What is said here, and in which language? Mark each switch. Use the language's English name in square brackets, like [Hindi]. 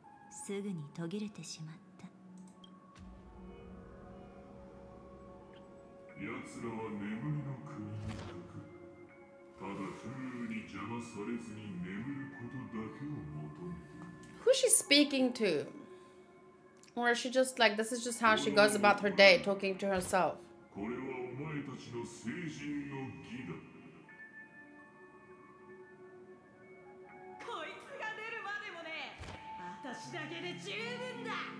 [Japanese] すぐに途切れてしまった。奴らは眠りの国に、ただ風雨に邪魔されずに眠ることだけを求めている。 [English] Who she speaking to? Or is she just like, this is just how she goes about her day, talking to herself? [Japanese] これはお前たちの成人の儀だ。こいつが出るまでもね、私だけで十分だ。